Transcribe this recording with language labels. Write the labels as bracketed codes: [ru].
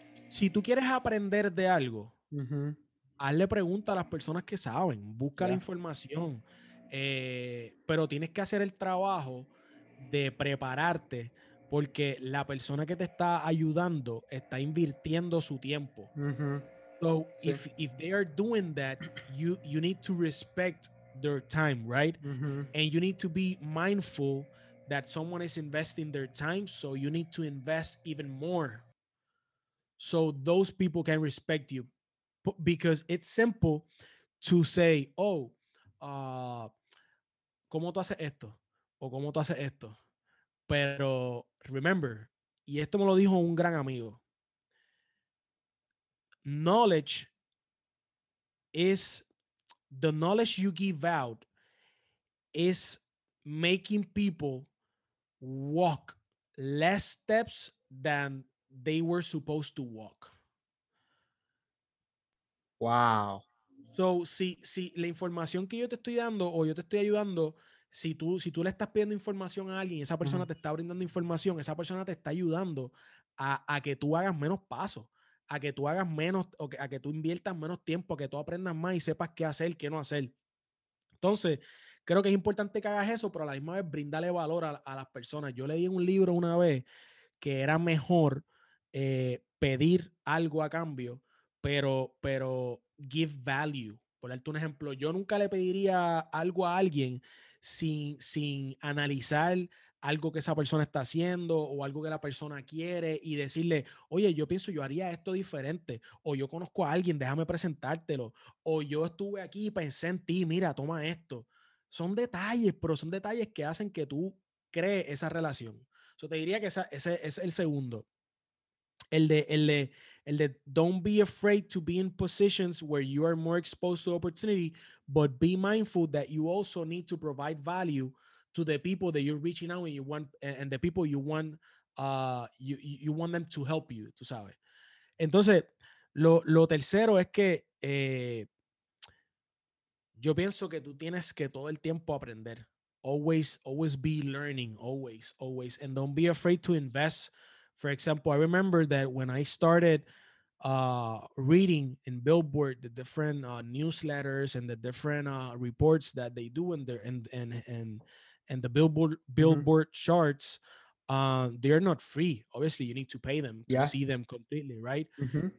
[es] Si tú quieres aprender de algo, uh-huh, hazle pregunta a las personas que saben, busca, yeah, la información, pero tienes que hacer el trabajo de prepararte, porque la persona que te está ayudando está invirtiendo su tiempo. Uh-huh. So sí. [en] if they are doing that, you need to respect their time, right? Uh-huh. And you need to be mindful that someone is investing their time, so you need to invest even more, so those people can respect you. Because it's simple to say, oh, [es] ¿cómo tú haces esto? [en] O ¿cómo tú haces esto? Pero remember, [es] y esto me lo dijo un gran amigo, [en] knowledge is, the knowledge you give out is making people walk less steps than they were supposed to walk. Wow. [es] So, si la información que yo te estoy dando o yo te estoy ayudando, si tú le estás pidiendo información a alguien y esa persona, uh-huh, te está brindando información, esa persona te está ayudando a que tú hagas menos pasos, a que tú hagas menos, o que, a que tú inviertas menos tiempo, a que tú aprendas más y sepas qué hacer, qué no hacer. Entonces, creo que es importante que hagas eso, pero a la misma vez brindarle valor a las personas. Yo leí en un libro una vez que era mejor pedir algo a cambio, pero [en] give value. [es] Por darte un ejemplo, yo nunca le pediría algo a alguien sin analizar algo que esa persona está haciendo o algo que la persona quiere y decirle, oye, yo pienso yo haría esto diferente, o yo conozco a alguien, déjame presentártelo, o yo estuve aquí y pensé en ti, mira, toma esto. Son detalles, pero son detalles que hacen que tú crees esa relación. So, te diría que ese es el segundo. El de [en] don't be afraid to be in positions where you are more exposed to opportunity, but be mindful that you also need to provide value to the people that you're reaching out and you want, and the people you want, you want them to help you, [es] tú sabes. Entonces, lo tercero es que yo pienso que tú tienes que todo el tiempo aprender. [en] Always be learning, always. And don't be afraid to invest. For example, I remember that when I started reading in Billboard the different newsletters and the different reports that they do in there and the Billboard mm-hmm. charts, they're not free. Obviously, you need to pay them to yeah. see them completely, right? Mm-hmm.